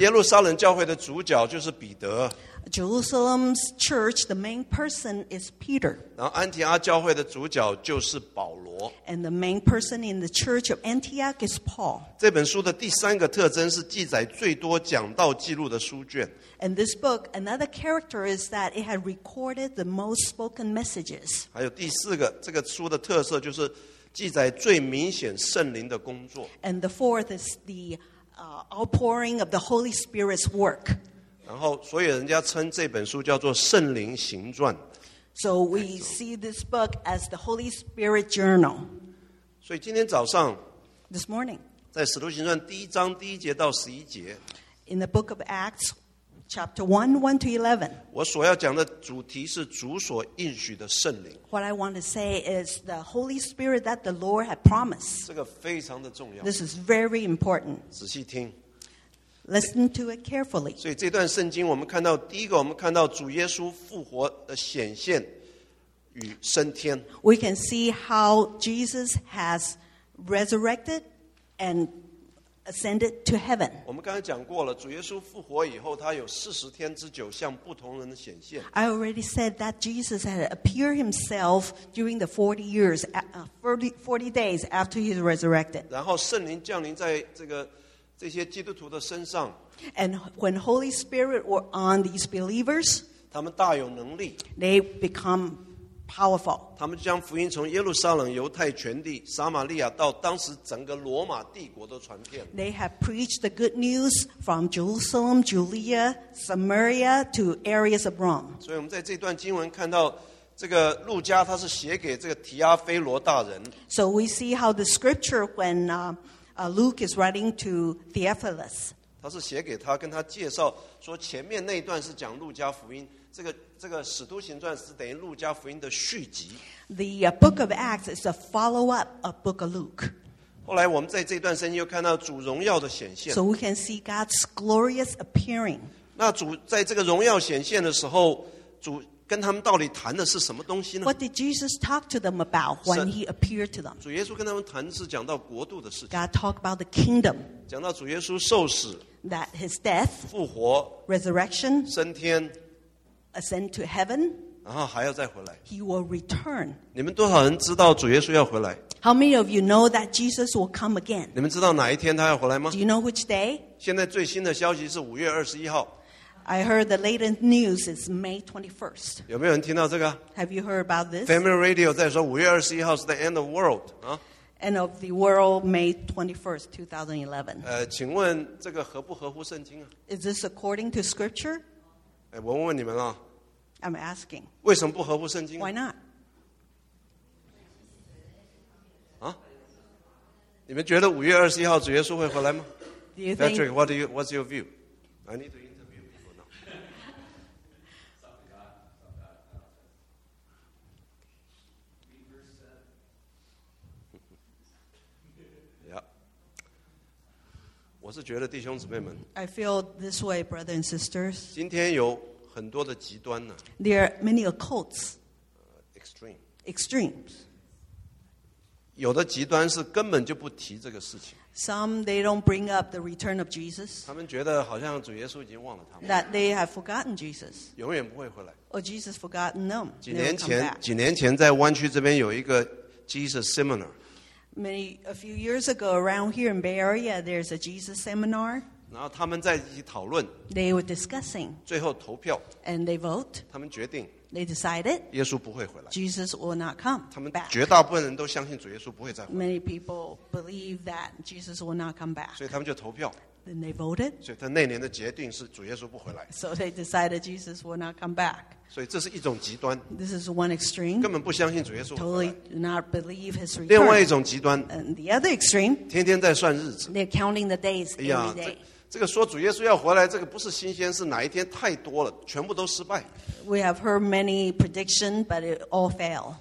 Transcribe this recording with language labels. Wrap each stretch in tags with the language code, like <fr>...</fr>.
<zh>耶路撒冷教会的主角就是彼得。</zh> <en>Jerusalem's church, the main person is Peter.</en> <zh>然后安提阿教会的主角就是保罗。</zh> <en>And the main person in the church of Antioch is Paul.</en> <zh>这本书的第三个特征是记载最多讲道记录的书卷。</zh> <en>And this book, another character is that it had recorded the most spoken messages.</en> <zh>还有第四个，这个书的特色就是记载最明显圣灵的工作。</zh> <en>And the fourth is the outpouring of the Holy Spirit's work.</en> <zh>然后所以人家称这本书叫做圣灵行传</zh> <en>So we see this book as the Holy Spirit Journal</en> <zh>所以今天早上</zh> <en>This morning</en> <zh>在使徒行传第一章第一节到十一节</zh> <en>In the book of Acts Chapter 1, 1 to 11</en> <zh>我所要讲的主题是主所应许的圣灵</zh> <en>What I want to say is the Holy Spirit that the Lord had promised</en> <zh>这个非常的重要</zh> <en>This is very important</en> <zh>仔细听</zh> <en>Listen to it carefully.</en> <zh>所以这段圣经我们看到第一个我们看到主耶稣复活的显现与升天。</zh> <en>We can see how Jesus has resurrected and ascended to heaven.</en> <zh>我们刚才讲过了主耶稣复活以后他有四十天之久向不同人的显现。</zh> <en>I already said that Jesus had appeared himself during the 40 years, 40 days after he was resurrected.</en> <zh>然后圣灵降临在这个这些基督徒的身上</zh> <en>and when Holy Spirit were on these believers,</en> <zh>他们大有能力</zh> <en>they become powerful.</en> <zh>他们将福音从耶路撒冷、犹太全地、撒玛利亚到当时整个罗马帝国都传遍。</zh> <en>They have preached the good news from Jerusalem, Judea, Samaria to areas of Rome.</en> <zh>所以我们在这段经文看到这个路加他是写给这个提阿非罗大人。</zh> <en>So we see how the scripture when Luke is writing to Theophilus.</en> <zh>他是写给他，跟他介绍说前面那一段是讲路加福音，这个使徒行传是等于路加福音的续集。</zh> <en>The book of Acts is a follow-up of book of Luke.</en> <zh>后来我们在这段圣经又看到主荣耀的显现。</zh> <en>So we can see God's glorious appearing.</en> <zh>那主在这个荣耀显现的时候，主跟他们到底谈的是什么东西呢</zh> <en>What did Jesus talk to them about when he appeared to them?</en> <zh>主耶稣跟他们谈的是讲到国度的事情</zh> <en>God talked about the kingdom</en> <zh>讲到主耶稣受死</zh> <en>That his death,</en> <zh>复活,</zh> <en>resurrection,</en> <zh>升天,</zh> <en>ascend to heaven,</en> <zh>然后还要再回来,</zh> <en>he will return.</en> <zh>你们多少人知道主耶稣要回来?</zh> <en>How many of you know that Jesus will come again?</en> <zh>你们知道哪一天他要回来吗?</zh> <en>Do you know which day?</en> <zh>现在最新的消息是 5月21号。</zh> <en>I heard the latest news is May 21st.</en> <zh>有没有人听到这个?</zh> <en>Have you heard about this?</en> <zh>Family Radio 在说 5月21号 是</zh> <en>the end of the world. 啊? End of the world, May 21st, 2011.</en> <zh>请问这个合不合乎圣经啊?</zh> <en>Is this according to scripture?</en> <zh>我问问你们啊,</zh> <en>I'm asking.</en> <zh>为什么不合乎圣经啊?</zh> <en>Why not? 啊?</en> <zh>你们觉得 5月21号 主耶稣会回来吗?</zh> <en>Do you think, Patrick, what's your view? I need to interview people now. I feel this way, brothers and sisters.</en> <zh>今天有很多的极端呢,</zh> <en>there are many occults. Extreme. Extremes.</en> <zh>有的极端是根本就不提这个事情。</zh> <en>Some, they don't bring up the return of Jesus.</en> <zh>他们觉得好像主耶稣已经忘了他们。</zh> <en>That they have forgotten Jesus.</en> <zh>永远不会回来。</zh> <en>Or Jesus forgotten them.</en> <zh>几年前在湾区这边有一个 Jesus Seminar。</zh> <en>A few years ago, around here in Bay Area, there's a Jesus seminar.</en> <zh>然后他们在一起讨论,</zh> <en>they were discussing.</en> <zh>最后投票,</zh> <en>and they vote.</en> <zh>他们决定,</zh> <en>they decided.</en> <zh>耶稣不会回来,</zh> <en>Jesus will not come.</en> <zh>他们绝大部分人都相信主耶稣不会再回来,</zh> <en>many people believe that Jesus will not come back.</en> <zh>所以他们就投票,</zh> <en>then they voted.</en> <zh>所以他那年的决定是主耶稣不回来,</zh> <en>so they decided Jesus will not come back.</en> <zh>所以这是一种极端,</zh> <en>this is one extreme.</en> <zh>根本不相信主耶稣回来,</zh> <en>totally do not believe his return.</en> <zh>另外一种极端,</zh> <en>and the other extreme,</en> <zh>天天在算日子,</zh> <en>they're counting the days every day.</en> <zh>这个说主耶稣要回来, 这个不是新鲜, 是哪一天太多了, 全部都失败。</zh> <en>We have heard many predictions, but it all fail.</en>